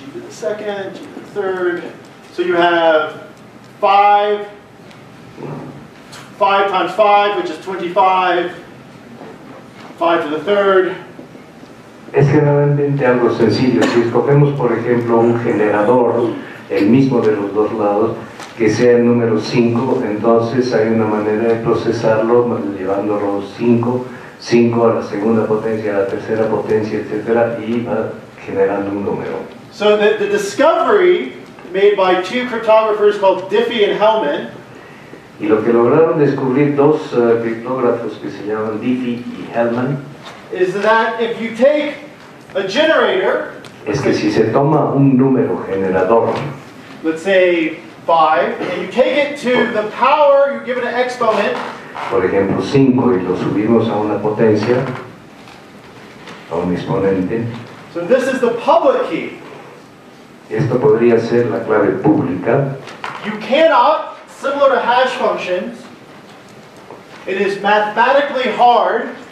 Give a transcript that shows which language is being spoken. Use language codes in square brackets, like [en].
[en] Second, third, so you have 5 times 5, which is 25, 5 to the third. [es] Es generalmente algo sencillo. Si escogemos, por ejemplo, un generador, el mismo de los dos lados, que sea el número 5, entonces hay una manera de procesarlo, llevándolo 5 a la segunda potencia, a la tercera potencia, etcétera, y va generando un número. [en] So the discovery made by two cryptographers called Diffie and Hellman. [es] Y lo que lograron descubrir dos criptógrafos que se llaman Diffie y Hellman. [en] Is that if you take a generator. [es] Es que si se toma un número generador. [en] Let's say 5, and you take it to the power, you give it an exponent. [es] Por ejemplo 5 y lo subimos a una potencia, a un exponente. [en] So this is the public key. [es] Esto podría ser la clave pública. [en] You cannot, similar to hash functions, It is mathematically hard.